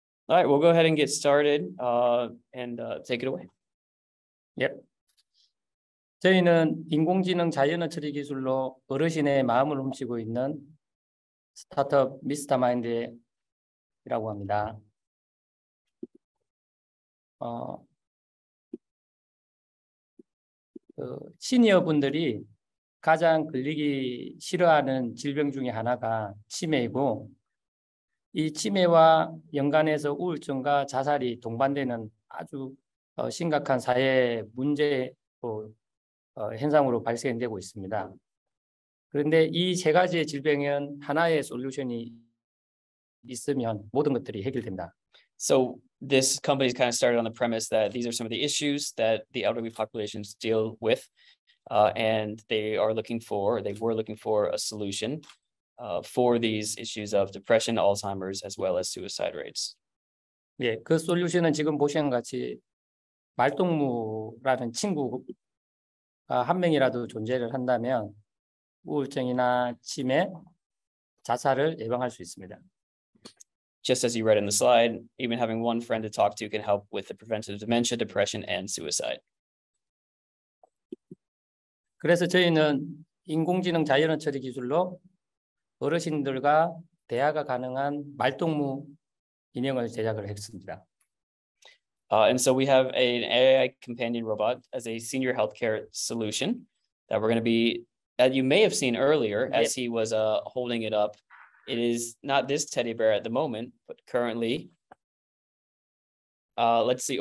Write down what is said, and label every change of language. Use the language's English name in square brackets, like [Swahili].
[English] All right, we'll go ahead and get started and take it away. [Korean] 저희는 인공지능 자연어 처리 기술로 어르신의 마음을 훔치고 있는 스타트업 미스터 마인드라고 합니다. 시니어 분들이 가장 걸리기 싫어하는 질병 중에 하나가 치매이고, 이 치매와 연관해서 우울증과 자살이 동반되는 아주 심각한 사회 문제 현상으로 발생되고 있습니다. 그런데 이세 가지의 질병은 하나의 솔루션이 있으면 모든 것들이 해결된다. [English] So this company's kind of started on the premise that these are some of the issues that the elderly populations deal with, and they were looking for a solution for these issues of depression, Alzheimer's, as well as suicide rates. [Korean] 그 솔루션은 지금 보시는 같이 말동무라는 친구가 한 명이라도 존재를 한다면 우울증이나 치매, 자살을 예방할 수 있습니다. [English] Just as you read in the slide, even having one friend to talk to can help with the prevention of dementia, depression, and suicide. [Korean] 그래서 저희는 인공지능 자연어 처리 기술로 어르신들과 대화가 가능한 말동무 인형을 제작을 했습니다. [English] And so we have an AI companion robot as a senior healthcare solution that we're going to be, that you may have seen earlier as he was holding it up. It is not this teddy bear at the moment, but currently. Let's see.